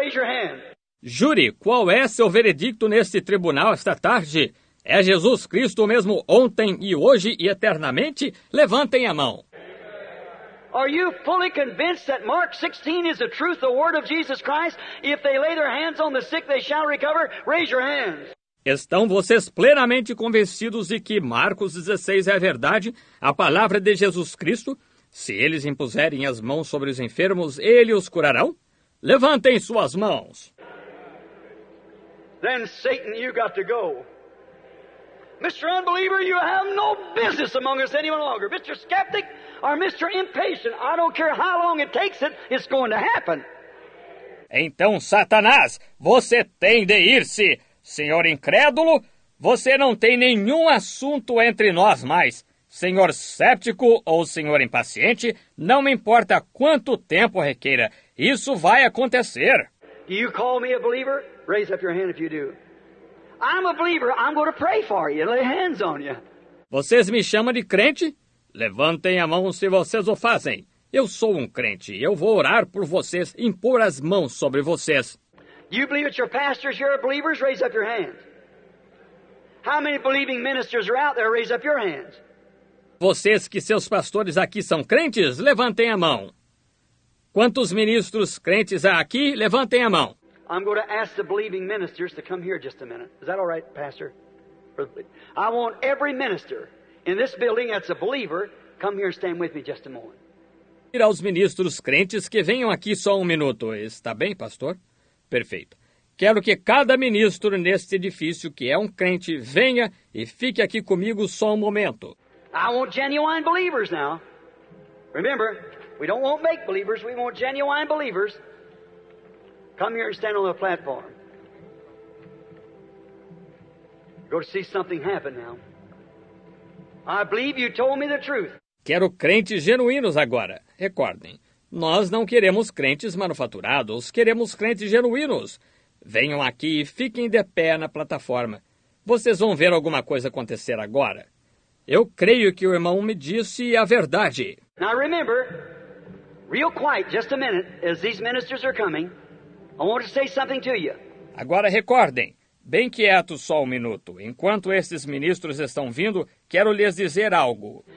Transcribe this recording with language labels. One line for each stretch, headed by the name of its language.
English: Raise your hand.
Portuguese: Jury, qual é seu veredicto neste tribunal esta tarde? É Jesus Cristo o mesmo ontem e hoje e eternamente? Levantem a mão.
English: Are you fully convinced that Mark 16 is the truth, the word of Jesus Christ? If they lay their hands on the sick, they shall recover? Raise your hands.
Portuguese: Estão vocês plenamente convencidos de que Marcos 16 é a verdade, a palavra de Jesus Cristo? Se eles impuserem as mãos sobre os enfermos, eles os curarão? Levantem suas mãos.
English: Then Satan, you got to go. Mr. Unbeliever, you have no business among us any longer. Mr. Skeptic or Mr. Impatient, I don't care how long it takes it, it's going to happen.
Portuguese: Então, Satanás, você tem de ir-se. Senhor incrédulo, você não tem nenhum assunto entre nós mais. Senhor cético ou senhor impaciente, não me importa quanto tempo requeira, isso vai acontecer.
English: Do you call me a believer? Raise up your hand if you do. I'm a believer. I'm going to pray for you. Lay hands on you.
Portuguese: Vocês me chamam de crente? Levantem a mão se vocês o fazem. Eu sou um crente. Eu vou orar por vocês, impor as mãos sobre vocês.
English: You believe it's your pastors here are believers? Raise up your hands. How many believing ministers are out there? Raise up your hands.
Portuguese: Vocês que seus pastores aqui são crentes, levantem a mão. Quantos ministros crentes há aqui? Levantem a mão.
English: I'm going to ask the believing ministers to come here just a minute. Is that all right, Pastor? I want every minister in this building that's a believer, come here and stand with me just a moment.
Portuguese: Pedir aos ministros crentes que venham aqui só um minuto. Está bem, pastor? Perfeito. Quero que cada ministro neste edifício que é um crente venha e fique aqui comigo só um momento.
English: I want genuine believers now. Remember, we don't want make believers, we want genuine believers. Come here and stand on the platform. Go to see something happen now. I believe you told me the truth.
Portuguese: Quero crentes genuínos agora. Recordem. Nós não queremos crentes manufaturados, queremos crentes genuínos. Venham aqui e fiquem de pé na plataforma. Vocês vão ver alguma coisa acontecer agora. Eu creio que o irmão me disse a verdade.
English: Now remember, real quiet, just a minute, as these ministers are coming, I want to say something to you.
Portuguese: Agora recordem, bem quieto só um minuto. Enquanto esses ministros estão vindo, quero lhes dizer algo.